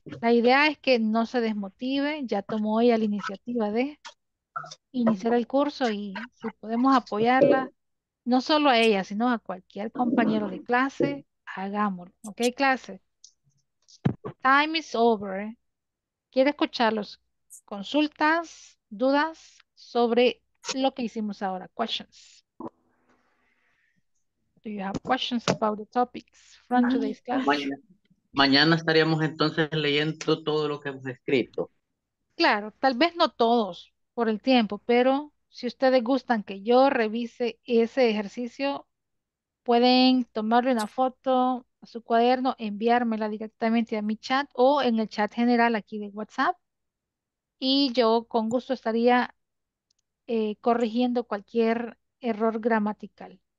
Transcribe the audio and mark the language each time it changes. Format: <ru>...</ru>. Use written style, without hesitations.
<es>La idea es que no se desmotive, ya tomó ella la iniciativa de iniciar el curso y si podemos apoyarla, no solo a ella, sino a cualquier compañero de clase, hagámoslo. ¿Ok, clase?</es> <en>Time is over.</en> <es>Quiero escuchar las consultas, dudas sobre lo que hicimos ahora.</es> <en>Questions. Do you have questions about the topics from today's class?</en> <es>Mañana estaríamos entonces leyendo todo lo que hemos escrito. Claro, tal vez no todos por el tiempo, pero si ustedes gustan que yo revise ese ejercicio, pueden tomarle una foto a su cuaderno, enviármela directamente a mi chat o en el chat general aquí de WhatsApp y yo con gusto estaría corrigiendo cualquier error gramatical.</es>